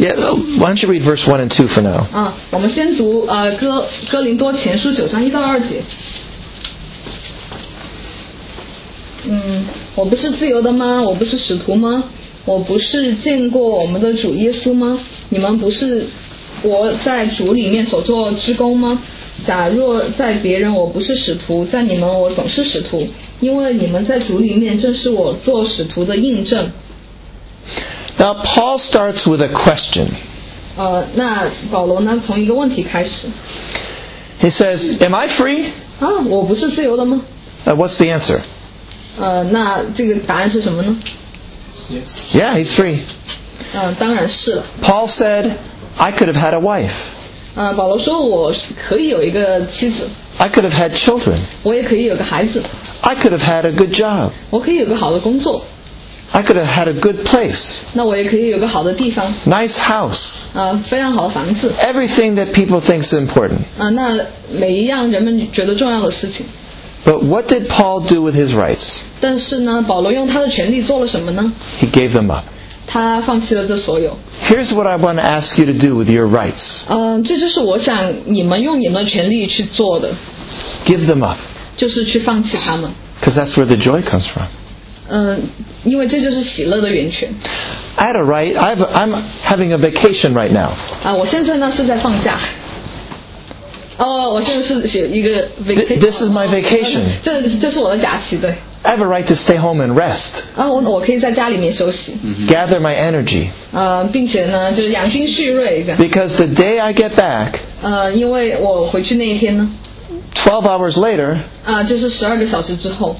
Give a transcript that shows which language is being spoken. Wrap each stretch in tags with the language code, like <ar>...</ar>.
<en>Yeah, why don't you read verse 1 and 2 for now?</en> <zh>我们先读哥林多前书九章一到二节。我不是自由的吗？我不是使徒吗？我不是见过我们的主耶稣吗？你们不是我在主里面所做之工吗？假若在别人我不是使徒，在你们我总是使徒，因为你们在主里面正是我做使徒的印证。</zh> <en>Now Paul starts with a question.</en> <zh>那保罗呢？从一个问题开始。</zh> <en>He says, "Am I free?"</en> <zh>我不是自由的吗？</zh> <en>What's the answer?</en> <zh>那这个答案是什么呢？</zh> <en>Yes. Yeah, he's free.</en> <zh>当然是了。</zh> <en>Paul said, "I could have had a wife."</en> <zh>保罗说我可以有一个妻子。</zh> <en>I could have had children.</en> <zh>我也可以有个孩子。</zh> <en>I could have had a good job.</en> <zh>我可以有个好的工作。</zh> <en>I could have had a good place.</en> <zh>那我也可以有个好的地方。</zh> <en>Nice house.</en> <zh>非常好的房子。</zh> <en>Everything that people think is important.</en> <zh>那每一样人们觉得重要的事情。</zh> <en>But what did Paul do with his rights?</en> <zh>但是呢，保罗用他的权利做了什么呢？</zh> <en>He gave them up.</en> <zh>他放弃了这所有。</zh> <en>Here's what I want to ask you to do with your rights.</en> <zh>这就是我想你们用你们的权利去做的。</zh> <en>Give them up.</en> <zh>就是去放弃他们。</zh> <en>Because that's where the joy comes from.</en> <zh>因为这就是喜乐的源泉。</zh> <en>I had a right. I'm having a vacation right now.</en> <zh>我现在呢是在放假。我现在是写一个 vacation.</zh> <en>This is my vacation.</en> <zh>这是我的假期，对。</zh> <en>I have a right to stay home and rest.</en> <zh>我可以在家里面休息。</zh> <en>Gather my energy.</en> <zh>并且呢，就是养精蓄锐。</zh> <en>Because the day I get back.</en> <zh>因为我回去那一天呢。</zh> <en>12 hours later.</en> <zh>就是十二个小时之后。</zh>